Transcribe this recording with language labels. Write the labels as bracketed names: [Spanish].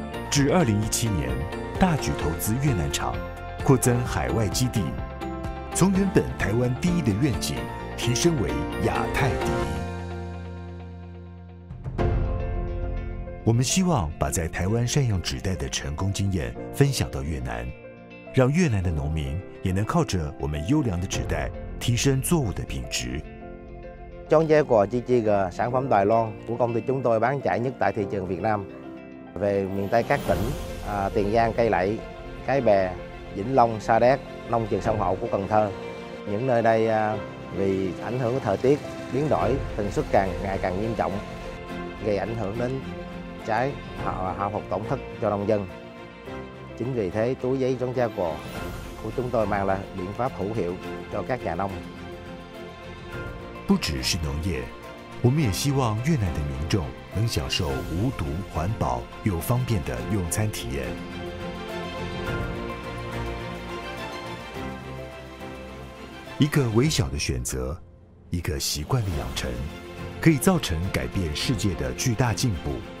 [Chinese] 至2017年，大举投资越南厂，扩增海外基地，从原本台湾第一的愿景提升为亚太第一。我们希望把在台湾善用纸袋的成功经验分享到越南，让越南的农民也能靠着我们优良的纸袋提升作物的品质。壮佳果自制的产品袋装 [Vietnamese] của công ty chúng tôi bán chạy nhất tại thị trường Việt Nam, về miền Tây các tỉnh Tiền Giang, Cây Lậy, Cái Bè, Vĩnh Long, Sa Đéc, nông trường sông Hậu của Cần Thơ. Những nơi đây vì ảnh hưởng của thời tiết biến đổi tần suất càng ngày càng nghiêm trọng, gây ảnh hưởng đến trái hao hụt tổn thất cho nông dân. Chính vì thế túi giấy trong gia cò của chúng tôi mang là biện pháp hữu hiệu cho các nhà nông. [Chinese] 不只是农业，我们也希望越南的民众能享受无毒、环保又方便的用餐体验。一个微小的选择，一个习惯的养成，可以造成改变世界的巨大进步。